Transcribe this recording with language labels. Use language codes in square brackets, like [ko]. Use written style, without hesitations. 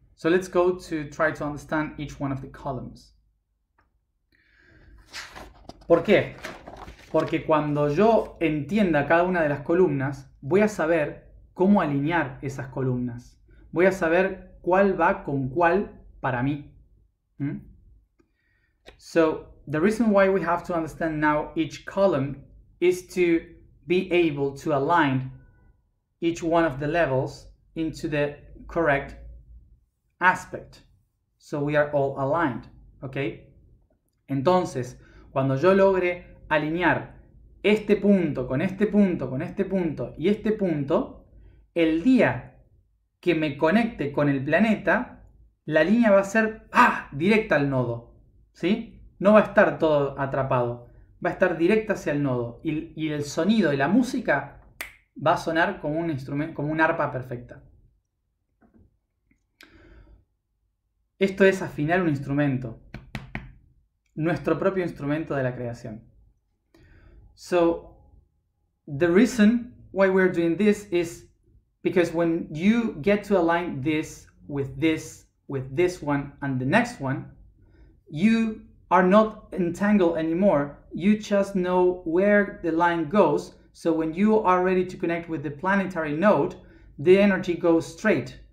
[en] So let's go to try to understand each one of the columns. [es] ¿Por qué? Porque cuando yo entienda cada una de las columnas, voy a saber cómo alinear esas columnas. Voy a saber cuál va con cuál para mí. [en] So, the reason why we have to understand now each column is to be able to align each one of the levels into the correct aspect. So we are all aligned, okay? [es] Entonces, cuando yo logre alinear este punto con este punto con este punto y este punto, el día que me conecte con el planeta, la línea va a ser ¡ah! Directa al nodo, ¿sí? No va a estar todo atrapado, va a estar directa hacia el nodo y el sonido y la música va a sonar como un instrumento, como un arpa perfecta. Esto es afinar un instrumento, nuestro propio instrumento de la creación. [en] So, the reason why we're doing this is because when you get to align this with this, with this one and the next one, you are not entangled anymore. You just know where the line goes. So when you are ready to connect with the planetary node, the energy goes straight.